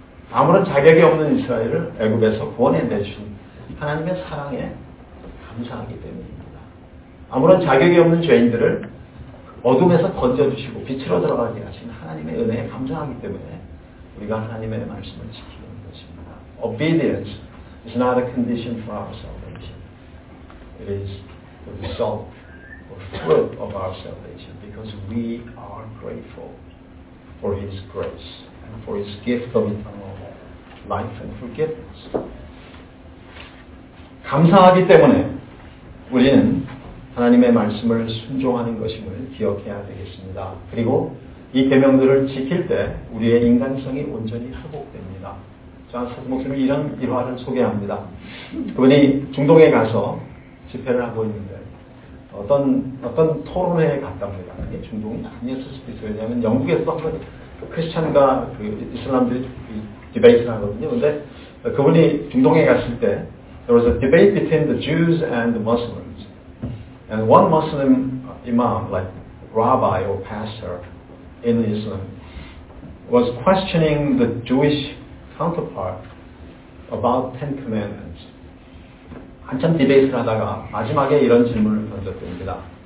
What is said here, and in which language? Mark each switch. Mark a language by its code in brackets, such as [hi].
[ko] 아무런 자격이 없는 이스라엘을 애굽에서 구원해내주신 하나님의 사랑에 감사하기 때문입니다. 아무런 자격이 없는 죄인들을 어둠에서 건져주시고 빛으로 들어가게 하신 하나님의 은혜에 감사하기 때문에 우리가 하나님의 말씀을 지키는 것입니다. [en] Obedience is not a condition for our salvation. It is the result, the fruit of our salvation because we are grateful for His grace and for His gift of eternal life and forgiveness. [ko] 감사하기 때문에 우리는 하나님의 말씀을 순종하는 것임을 기억해야 되겠습니다. 그리고 이 계명들을 지킬 때 우리의 인간성이 온전히 회복됩니다. 자, 사도 목사님이 이런 일화를 소개합니다. 그분이 중동에 가서 집회를 하고 있는데 어떤 토론회에 갔답니다. 이게 중동이 아니었을 수도 있어요. 왜냐하면 영국에서도 한번 크리스찬과 그 이슬람들이 디베이트를 하거든요. 근데 그분이 중동에 갔을 때 [en] there was a debate between the Jews and the Muslims. And one Muslim imam, like rabbi or pastor in Islam, was questioning the Jewish counterpart about Ten Commandments. [ko] 한참 디베이트를 하다가 마지막에 이런 질문을 던졌습니다.